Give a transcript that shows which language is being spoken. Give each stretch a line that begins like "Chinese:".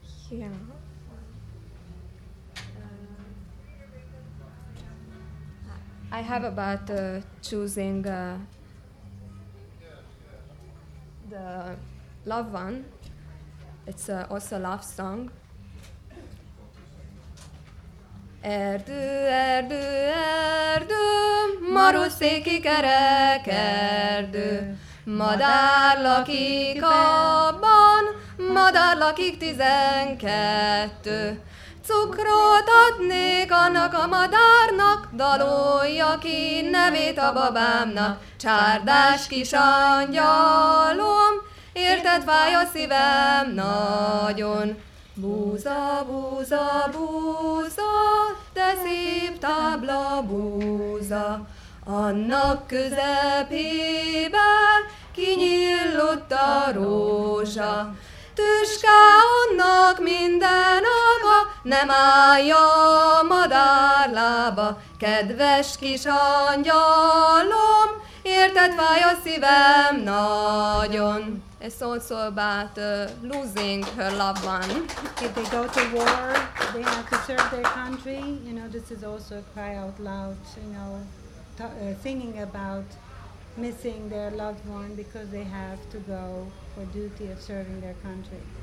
English: Yeah. I have about choosing the love one. It's also a love song.
Hungarian: Erdő, erdő, erdő, maroszéki kerek erdő, madár lakik abban, madár lakik 12. Cukrot adnék annak a madárnak, dalolja ki nevét a babámnak. Csárdás kis angyalom, érted fáj a szívem nagyon. Búza, búza, búza, de szép tábla búza. Annak közepébe kinyillott a rózsa. Tüská annak minden aga, nem állja a madár lába. Kedves kis angyalom, érted, fáj a szívem nagyon.
English: It's also about losing her loved one. If they go to war, they have to serve their country. You know, this is also a cry out loud, you know, singing about missing their loved one because they have to go for duty of serving their country.